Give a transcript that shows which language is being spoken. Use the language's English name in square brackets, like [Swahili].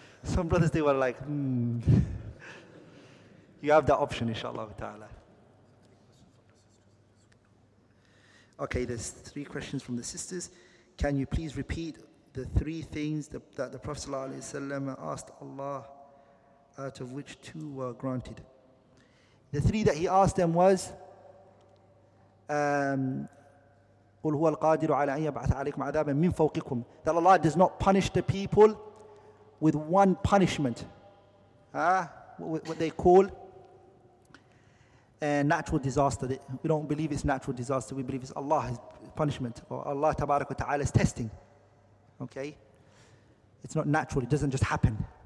[English] Some brothers, they were like, You have that option, inshallah ta'ala. Okay, there's three questions from the sisters. Can you please repeat the three things that the Prophet sallallahu alayhi wa sallam asked Allah, out of which two were granted? The three that he asked them was [Arabic] قُلْ هُوَ الْقَادِرُ عَلَىٰ أَنْ يَبْعَثَ عَلَيْكُمْ عَذَابًا مِنْ فَوْقِكُمْ. [English] That Allah does not punish the people with one punishment. What they call a natural disaster. We don't believe it's natural disaster. We believe it's Allah's punishment. Or Allah tabarak wa ta'ala is testing. Okay? It's not natural. It doesn't just happen.